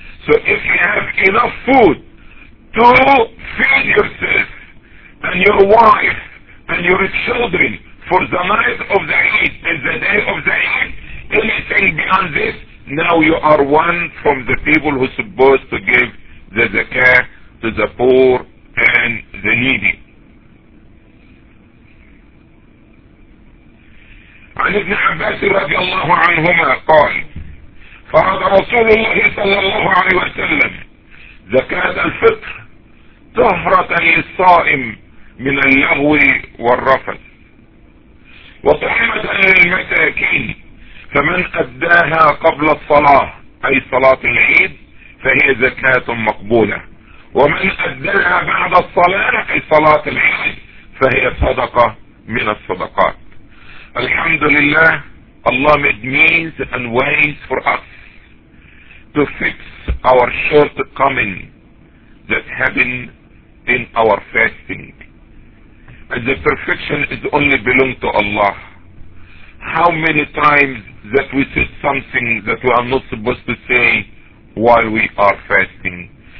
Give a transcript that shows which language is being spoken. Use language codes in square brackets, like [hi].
[en] So if you have enough food to feed yourself and your wife and your children for the night of the Eid and the day of the Eid, anything beyond this, now you are one from the people who are supposed to give the zakah to the poor and the needy. [ar] عن ابن عباس رضي الله عنهما قال فرض رسول الله صلى الله عليه وسلم زكاة الفطر طهرة للصائم من اللهو والرفث وطعمة للمساكين فمن أداها قبل الصلاة أي صلاة العيد فهي زكاة مقبولة ومن أداها بعد الصلاة أي صلاة العيد فهي صدقة من الصدقات. [en] Alhamdulillah, Allah made means and ways for us to fix our shortcoming that happened in our fasting. And the perfection is only belong to Allah. How many times that we said something that we are not supposed to say while we are fasting?